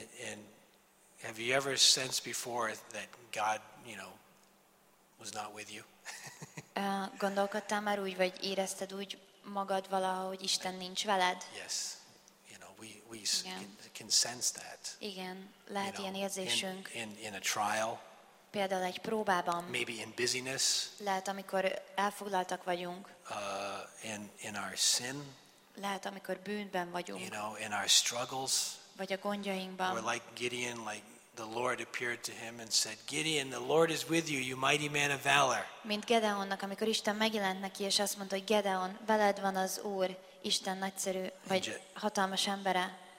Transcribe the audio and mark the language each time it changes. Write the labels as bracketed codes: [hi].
[en] And have you ever sensed before that God, you know, was not with you? [hu] Gondolkodtál már úgy, vagy érezted úgy magad valahogy, Isten nincs veled? [en] Yes, you know, we can sense that. [hu] Igen, lehet ilyen érzésünk. [en] In a trial. [hu] Például egy próbában. [en] Maybe in busyness. [hu] Lehet, amikor elfoglaltak vagyunk. [en] In our sin. [hu] Lehet, amikor bűnben vagyunk. [en] You know, in our struggles. [hu] Vagy a gondjainkban. [en] Or like Gideon, like the Lord appeared to him and said, Gideon, the Lord is with you, you mighty man of valor. [hu] Mint Gedeonnak, amikor Isten megjelent neki, és azt mondta, hogy Gedeon, veled van az Úr, Isten nagyszerű, vagy hatalmas embere.